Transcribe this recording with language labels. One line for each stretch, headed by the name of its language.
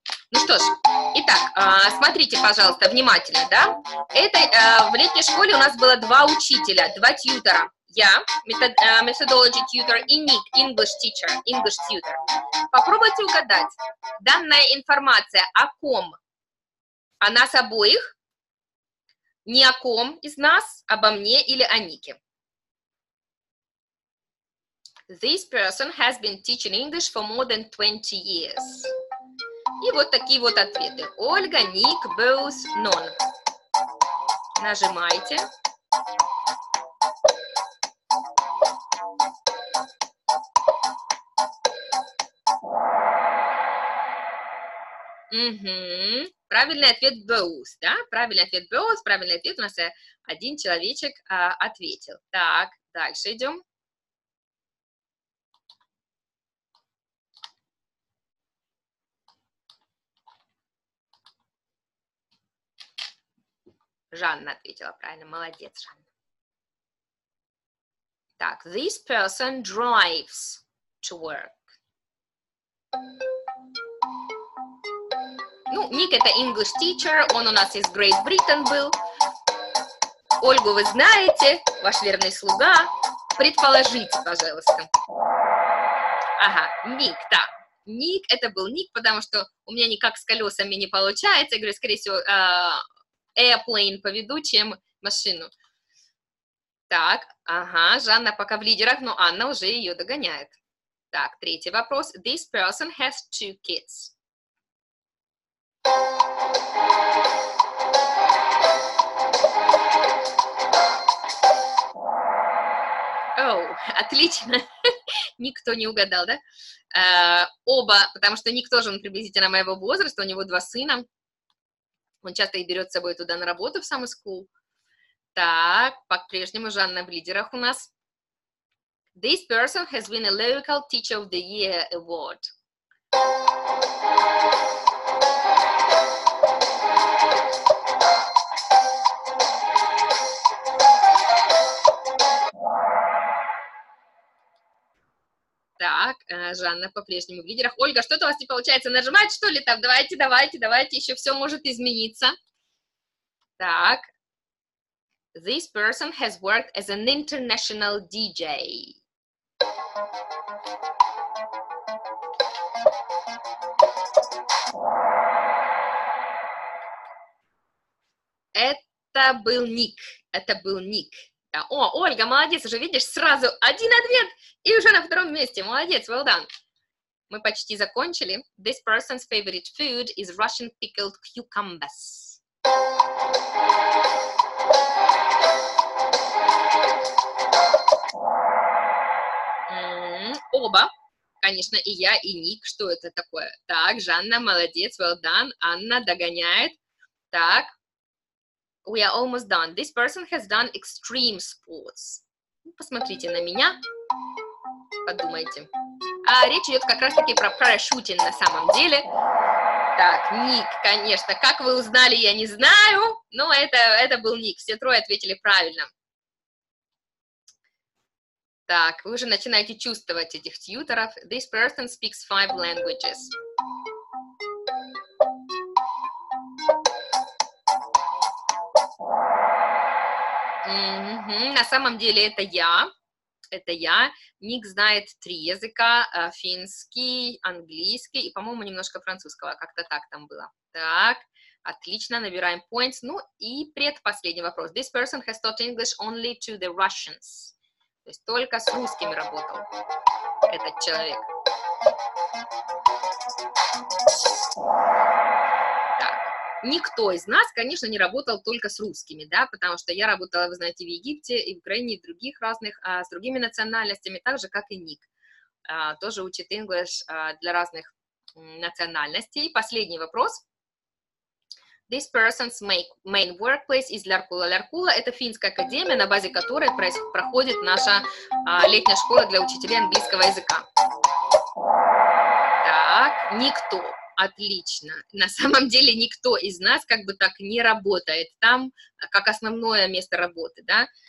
Russian: Ну что ж, итак, смотрите, пожалуйста, внимательно, да? Это, в летней школе у нас было два учителя, два тьютора.
English: Я, methodology tutor, и Ник, English teacher, English tutor.
Russian: Попробуйте угадать, данная информация о ком? О нас обоих? Не о ком из нас, обо мне или о Нике?
English: This person has been teaching English for more than 20 years.
Russian: И вот такие вот ответы.
English: Ольга, Ник, both, none.
Russian: Нажимайте. Угу. Правильный ответ both, да? Правильный ответ both, правильный ответ. У нас один человечек ответил. Так, дальше идем. Жанна ответила правильно. Молодец, Жанна. Так,
English: this person drives to work.
Russian: Ну, Ник это English teacher, он у нас из Great Britain был. Ольгу вы знаете, ваш верный слуга. Предположите, пожалуйста. Ага, Ник, да. Ник это был Ник, потому что у меня никак с колесами не получается. Я говорю, скорее всего, airplane поведу, чем машину. Так, ага, Жанна пока в лидерах, но Анна уже ее догоняет. Так, третий вопрос.
English: This person has two kids.
Russian: Оу, отлично. Никто не угадал, да? Оба, потому что Ник тоже, он приблизительно моего возраста, у него два сына. Он часто и берет с собой туда на работу в summer school. Так, по-прежнему Жанна в лидерах у нас.
English: This person has won a local teacher of the year award.
Russian: Так, Жанна по-прежнему в лидерах. Ольга, что-то у вас не получается нажимать, что ли, там? Давайте, давайте, давайте, еще все может измениться. Так.
English: This person has worked as an international DJ.
Russian: Это был Ник. Это был Ник. О, Ольга, молодец, уже видишь, сразу один ответ, и уже на втором месте. Молодец,
English: well done.
Russian: Мы почти закончили.
English: This person's favorite food is Russian pickled cucumbers.
Russian: Оба, конечно, и я, и Ник, что это такое? Так, Жанна, молодец,
English: well done.
Russian: Анна догоняет. Так.
English: We are almost done. This person has done extreme sports.
Russian: Посмотрите на меня. Подумайте. А речь идет как раз-таки про парашютинг на самом деле. Так, Ник, конечно. Как вы узнали, я не знаю. Но это был Ник. Все трое ответили правильно. Так, вы уже начинаете чувствовать этих тьюторов.
English: This person speaks 5 languages.
Russian: Mm-hmm. На самом деле это я. Это я. Ник знает 3 языка. Финский, английский и, по-моему, немножко французского. Как-то так там было. Так, отлично, набираем points. Ну и предпоследний вопрос.
English: This person has taught English only to the Russians.
Russian: То есть только с русскими работал этот человек. Так. Никто из нас, конечно, не работал только с русскими, да, потому что я работала, вы знаете, в Египте и в Украине, и в других разных, с другими национальностями, так же, как и Ник. Тоже учит English для разных национальностей. Последний вопрос.
English: This person's main workplace is Larkula.
Russian: Larkula – это финская академия, на базе которой проходит наша летняя школа для учителей английского языка. Так, никто. Отлично. На самом деле никто из нас как бы так не работает там, как основное место работы, да.